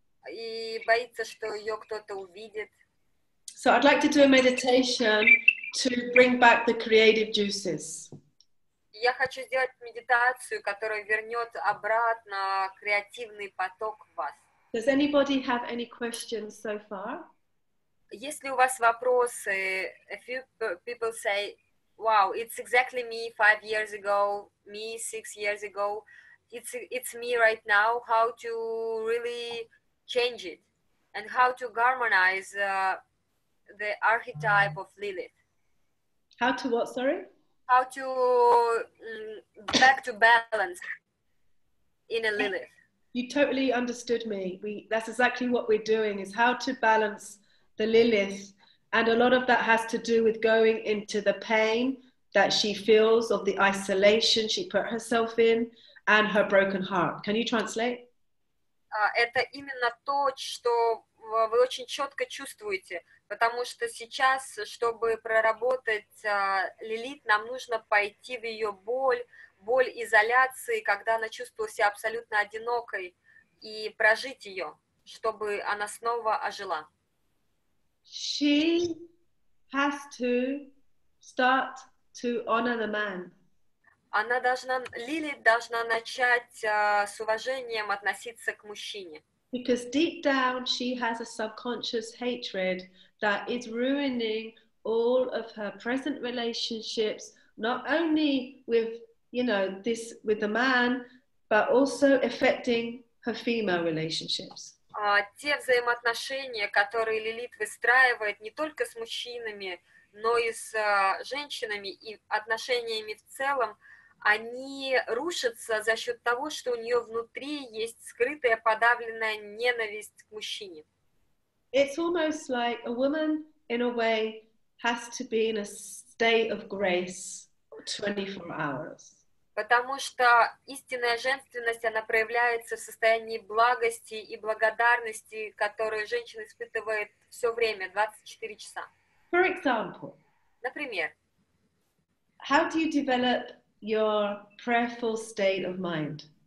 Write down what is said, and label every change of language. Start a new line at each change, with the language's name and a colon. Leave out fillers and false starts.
Russian: И боится, что ее кто-то увидит.
English: So I'd like to do a meditation to bring back the creative juices.
Russian: Я хочу сделать медитацию, которая вернет обратно креативный поток в вас.
English: Does anybody have any questions so far?
Russian: Если у вас вопросы,
English: a few people say, wow, it's exactly me 5 years ago, me 6 years ago, it's me right now, how to really change it, and how to harmonize the archetype of Lilith. How to what, sorry? How to back to balance in a Lilith. You totally understood me. That's exactly what we're doing, is how to balance the Lilith. And a lot of that has to do with going into the pain that she feels of the isolation she put herself in and her broken heart. Can you translate?
Russian: Это именно то, что вы очень четко чувствуете, потому что сейчас, чтобы проработать Лилит, нам нужно пойти в ее боль изоляции, когда она чувствовала себя абсолютно одинокой, и прожить ее, чтобы она снова ожила.
English: She has to start to honor the man.
Russian: Она должна, Лилит должна начать с уважением относиться к мужчине.
English: Because deep down she has a subconscious hatred that is ruining all of her present relationships, not only with, you know, this with the man, but also affecting her female relationships.
Russian: Те взаимоотношения, которые Лилит выстраивает не только с мужчинами, но и с женщинами и отношениями в целом, они рушатся за счет того, что у нее внутри есть скрытая подавленная ненависть к мужчине.
English: It's almost like a woman, in a way, has to be in a state of grace 24 hours.
Russian: Потому что истинная женственность, она проявляется в состоянии благости и благодарности, которую женщина испытывает все время, 24 часа.
English: For example,
Russian: например,
English: how do you develop your prayerful state of mind?